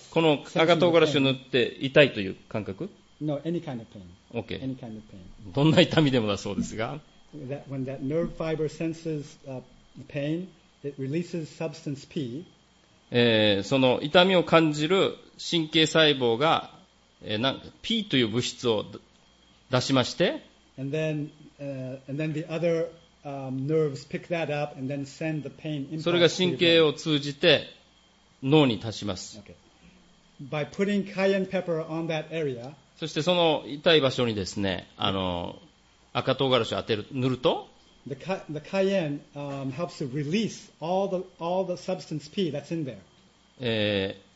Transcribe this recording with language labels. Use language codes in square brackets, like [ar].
[ja] この赤唐辛子を塗って痛いという感覚？ [en] No, any kind of pain. Okay. Any kind of pain. [ja] どんな痛みでもだそうですが。 [en] That when that nerve fiber senses pain, it releases substance P. [ja] その痛みを感じる神経細胞が、なんか P という物質を出しまして [en] then the other nerves pick that up and then send the pain. [ja] それが神経を通じて脳に達します。 [en] By putting cayenne pepper on that area, [ja] そしてその痛い場所にですね、あの赤唐辛子を当てる塗ると、 [en] the cayenne helps to release all the substance P that's in there.